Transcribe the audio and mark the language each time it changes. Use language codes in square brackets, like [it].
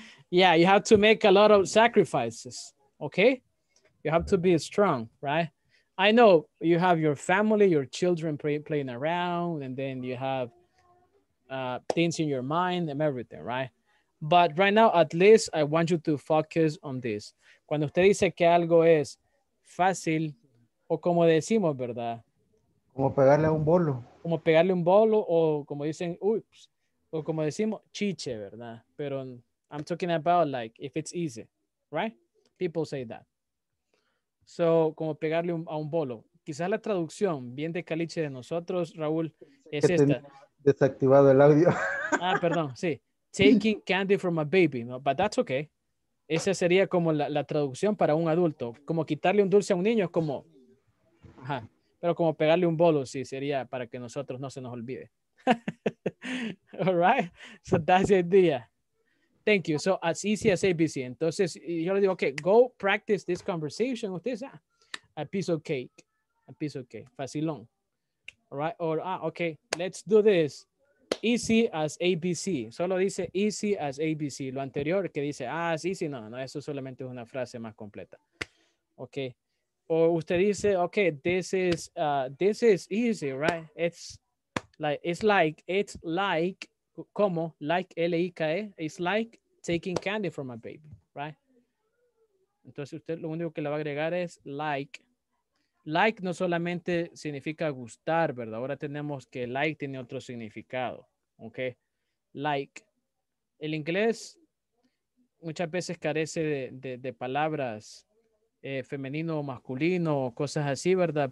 [en] Yeah, you have to make a lot of sacrifices. Okay? You have to be strong, right? I know you have your family, your children playing around, and then you have things in your mind and everything, right? But right now, at least, I want you to focus on this. [es] Cuando usted dice que algo es fácil, o como decimos, ¿verdad? Como pegarle a un bolo. Como pegarle un bolo, o como dicen, oops, o como decimos, chiche, ¿verdad? Pero [en] I'm talking about like, if it's easy, right? People say that. So, [es] como pegarle a un bolo. Quizás la traducción, bien de caliche de nosotros, Raúl, es que esta. Desactivado el audio. Ah, perdón, sí. [en] Taking candy from a baby, no, but that's okay. [es] Esa sería como la traducción para un adulto. Como quitarle un dulce a un niño es como... Ajá. Pero como pegarle un bolo, sí, sería para que nosotros no se nos olvide. [en] All right? So, that's the idea. Thank you. So, as easy as ABC. [es] Entonces, yo le digo, okay, [en] go practice this conversation with this. A piece of cake. A piece of cake. Facilón. All right? Or, okay, let's do this. Easy as ABC. [es] Solo dice [en] easy as ABC. [es] Lo anterior que dice, [en] as easy. [es] No, no, eso solamente es una frase más completa. [en] Okay. [es] O usted dice, [en] okay, this is easy, right? It's like, [es] como, [en] like, L-I-K-E, it's like taking candy from a baby, right? [es] Entonces usted lo único que le va a agregar es like. Like no solamente significa gustar, ¿verdad? Ahora tenemos que like tiene otro significado, okay? Like. El inglés muchas veces carece de palabras femenino o masculino o cosas así, ¿verdad?